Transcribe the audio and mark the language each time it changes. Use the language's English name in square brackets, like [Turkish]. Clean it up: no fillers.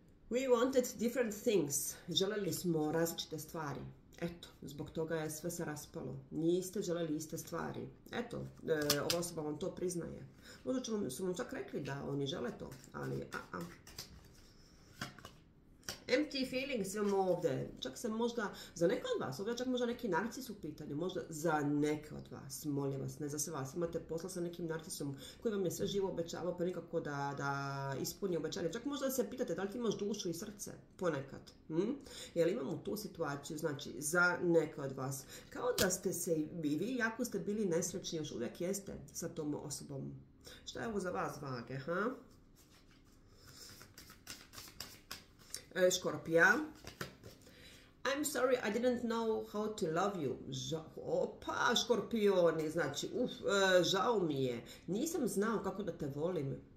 [English] We wanted different things. [Serbian] Želeli smo različite stvari. Eto, zbog toga je sve se raspalo. Niste želeli iste stvari. Eto, ova osoba vam to priznaje. Možda su vam čak rekli da oni žele to, ali [English] empty feelings [Serbian] imamo ovdje. Čak se možda, za neka od vas, ovdje čak možda neki narcis u pitanju, možda za neke od vas, molim vas, ne za sve vas, imate posla sa nekim narcisom koji vam je sve živo obećavao, pa nikako da ispuni obećanje. Čak možda se pitate da li ti imaš dušu i srce ponekad. Jer imamo tu situaciju, znači, za neke od vas. Kao da ste se i vi, jako ste bili nesrećni, još uvijek jeste sa tom osobom. Šta je ovo za vas, vage, ha? Škorpija. [English] I'm sorry, I didn't know how to love you. [Serbian] Opa, škorpioni, znači, žao mi je. Nisam znao kako da te volim.